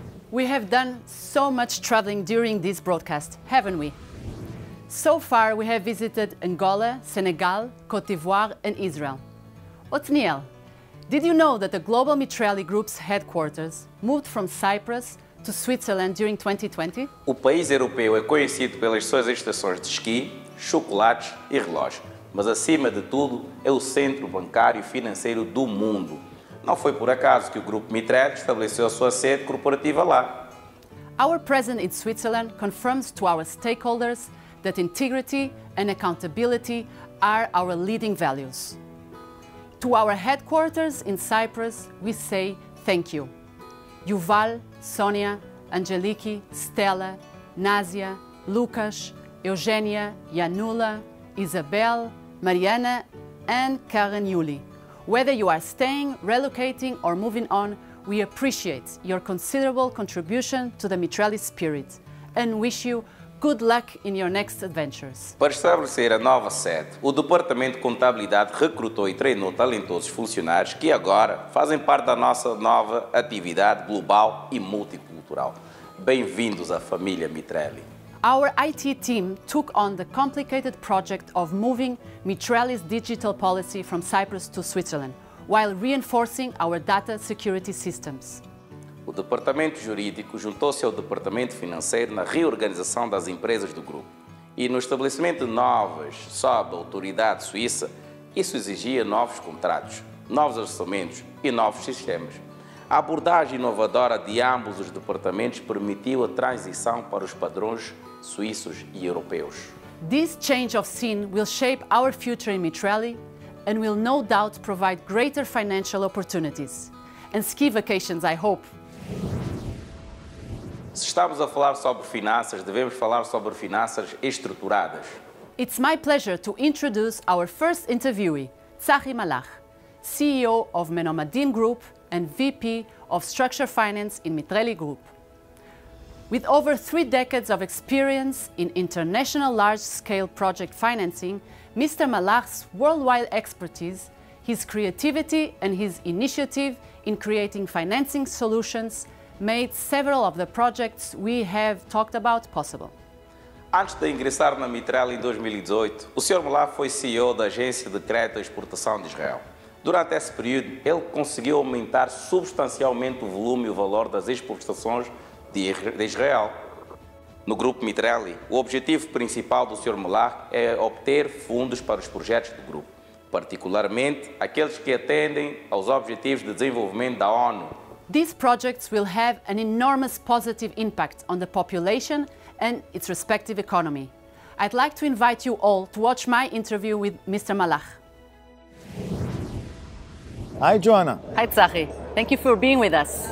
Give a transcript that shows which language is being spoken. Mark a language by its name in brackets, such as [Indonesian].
[English] We have done so much traveling during this broadcast, haven't we? So far, we have visited Angola, Senegal, Côte d'Ivoire, and Israel. Othniel, did you know that the Global Mitrelli Group's headquarters moved from Cyprus to Switzerland during 2020? [Portuguese] O país europeu é conhecido pelas suas estações de esqui, chocolates e relógios. Mas acima de tudo, é o centro bancário e financeiro do mundo. Não foi por acaso que o grupo Mitrelli estabeleceu a sua sede corporativa lá. [English] Our presence in Switzerland confirms to our stakeholders that integrity and accountability are our leading values. To our headquarters in Cyprus, we say thank you. Yuval, Sonia, Angeliki, Stella, Nazia, Lucas, Eugenia, Janula, Isabel, Mariana, and Karen Yuli. Whether you are staying, relocating, or moving on, we appreciate your considerable contribution to the Mitrelli spirit and wish you good luck in your next adventures. [Portuguese] Para estabelecer a nova sede, o Departamento de Contabilidade recrutou e treinou talentosos funcionários que agora fazem parte da nossa nova atividade global e multicultural. Bem-vindos à família Mitrelli. [English] Our IT team took on the complicated project of moving Mitrelli's digital policy from Cyprus to Switzerland while reinforcing our data security systems. [Portuguese] O departamento jurídico juntou-se ao departamento financeiro na reorganização das empresas do grupo. E no estabelecimento de novas sob a autoridade suíça, isso exigia novos contratos, novos orçamentos e novos sistemas. A abordagem inovadora de ambos os departamentos permitiu a transição para os padrões suíços e europeus. [English] This change of scene will shape our future in Mitrelli and will no doubt provide greater financial opportunities and ski vacations, I hope. [Portuguese] Se estamos a falar sobre finanças, devemos falar sobre finanças estruturadas. [English] It's my pleasure to introduce our first interviewee, Tsachi Malach, CEO of Menomadin Group and VP of Structure Finance in Mitrelli Group. With over 3 decades of experience in international large-scale project financing, Mr. Malach's worldwide expertise, his creativity and his initiative in creating financing solutions made several of the projects we have talked about possible. [Portuguese] Antes de ingressar na Mitrelli em 2018, o Sr. Malach foi CEO da Agência de Crédito e Exportação de Israel. Durante esse período, ele conseguiu aumentar substancialmente o volume e o valor das exportações de Israel. No grupo Mitrelli, o objetivo principal do Sr. Malach é obter fundos para os projetos do grupo, particularmente aqueles que atendem aos Objetivos de Desenvolvimento da ONU. [English] These projects will have an enormous positive impact on the population and its respective economy. I'd like to invite you all to watch my interview with Mr. Malach. Hi, Joanna. Hi, Tsachi. Thank you for being with us.